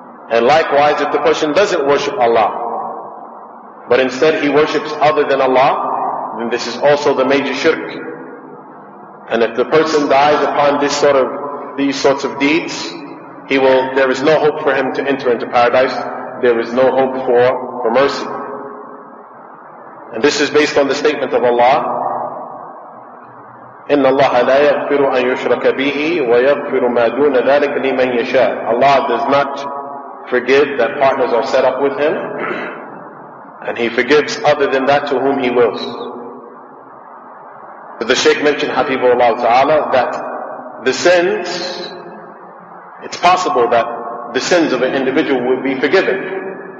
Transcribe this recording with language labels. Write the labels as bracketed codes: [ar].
[en] And likewise, if the person doesn't worship Allah, but instead he worships other than Allah, then this is also the major shirk. And if the person dies upon these sorts of deeds, there is no hope for him to enter into paradise. There is no hope for mercy. And this is based on the statement of Allah, [ar] إِنَّ اللَّهَ لَا يَغْفِرُ أَن يُشْرَكَ بِهِ وَيَغْفِرُ مَا دُونَ ذَلِكَ لِمَن يَشَاءُ. [en] Allah does not forgive that partners are set up with him, and he forgives other than that to whom he wills. But the Shaykh mentioned, Habibullah Ta'ala, that the sins, it's possible that the sins of an individual will be forgiven.